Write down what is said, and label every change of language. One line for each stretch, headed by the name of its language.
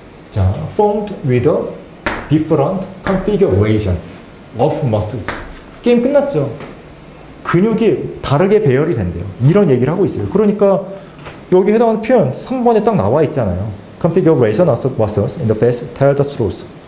English: 자 formed with a different configuration of muscles.
Korean: 게임 끝났죠. 근육이 다르게 배열이 된대요. 이런 얘기를 하고 있어요. 그러니까 여기 해당하는 표현 3번에 딱 나와 있잖아요.
English: Configuration of muscles in the face tell the truth.